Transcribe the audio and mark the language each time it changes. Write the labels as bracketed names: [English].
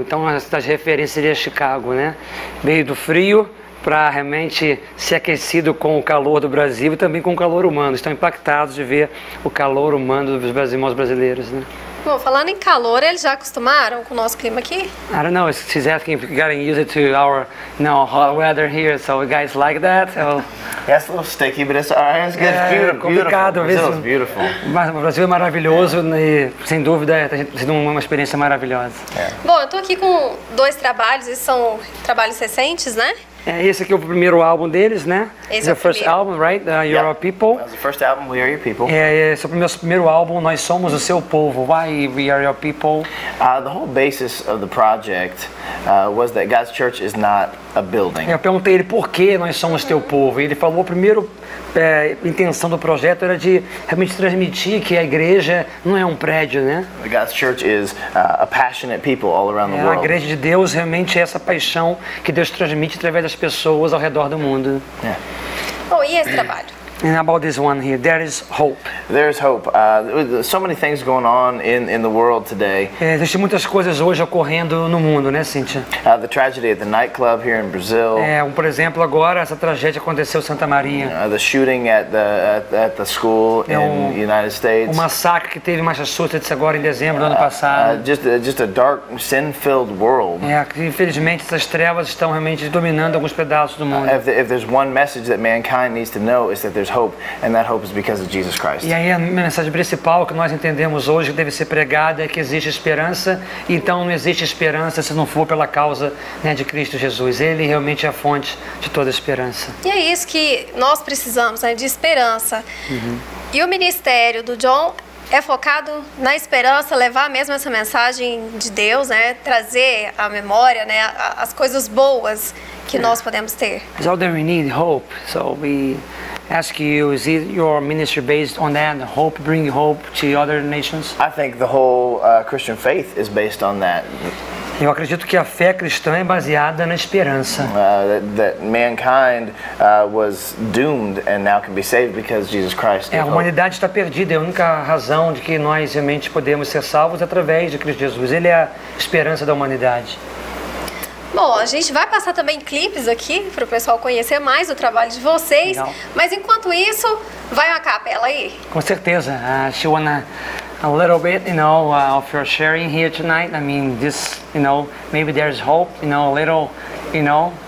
[Portuguese] Então, a cidade de referência seria Chicago, né? Meio do frio, para realmente ser aquecido com o calor do Brasil e também com o calor humano. Estão impactados de ver o calor humano dos irmãos brasileiros, né? Bom, falando em calor, eles já acostumaram com o nosso clima aqui? [English] I don't know, she's asking if you're getting used to our, you know, hot weather here, so you guys like that? So... That's a little sticky, but it's good. Beautiful, [Portuguese] complicado, [English] beautiful. Brazil is beautiful. [Portuguese] Mas o Brasil é maravilhoso, yeah. E sem dúvida, está sendo uma experiência maravilhosa. [English] Yeah. [Portuguese] Bom, eu estou aqui com dois trabalhos, esses são trabalhos recentes, né? Esse aqui é o primeiro álbum deles, né? Esse é o [English] first album, right? You're our people. That was the first album, We Are Your People. [Portuguese] Esse é o nosso primeiro álbum, Nós Somos o Seu Povo. [English] Why We Are Your People? The whole basis of the project was that God's church is not a building. [Portuguese] Eu perguntei ele por que nós somos teu povo. E ele falou, a primeira intenção do projeto era de realmente transmitir que a igreja não é um prédio, né? [English] God's church is a passionate people all around the world. [Portuguese] A igreja de Deus realmente é essa paixão que Deus transmite através das pessoas ao redor do mundo. Yeah. Oh, e esse trabalho? [English] And about this one here, there is hope. There is hope. So many things going on in the world today. [Portuguese] Existem muitas coisas hoje ocorrendo no mundo, né, Cíntia? [English] The tragedy at the nightclub here in Brazil. [Portuguese] Por exemplo, agora essa tragédia aconteceu em Santa Maria. [English] The shooting at the school in the United States. [Portuguese] O massacre que teve em Massachusetts agora em dezembro do ano passado. [English] Just a dark, sin-filled world. [Portuguese] Infelizmente, essas trevas estão realmente dominando alguns pedaços do mundo. [English] If there's one message that mankind needs to know, is that there's hope, and that hope is because of Jesus Christ. [Portuguese] E aí a mensagem principal que nós entendemos hoje que deve ser pregada é que existe esperança, então não existe esperança se não for pela causa, né, de Cristo Jesus. Ele realmente é a fonte de toda esperança. E é isso que nós precisamos, né, de esperança. E o ministério do John é focado na esperança, levar mesmo essa mensagem de Deus, né, trazer a memória, né, as coisas boas que nós podemos ter. [English] It's all that we need, hope. So we ask you, is it your ministry based on that, hope, bring hope to other nations? I think the whole Christian faith is based on that. [Portuguese] Eu acredito que a fé cristã é baseada na esperança. [English] That mankind was doomed and now can be saved because Jesus Christ. [Portuguese] A humanidade está perdida. A única razão de que nós realmente podemos ser salvos é através de Cristo Jesus. Ele é a esperança da humanidade. Bom, a gente vai passar também clipes aqui para o pessoal conhecer mais o trabalho de vocês. Legal. Mas enquanto isso, vai uma capela aí. Com certeza. [English] She wanna a little bit, you know, of your sharing here tonight. I mean, this, you know, maybe there's hope, you know, a little, you know.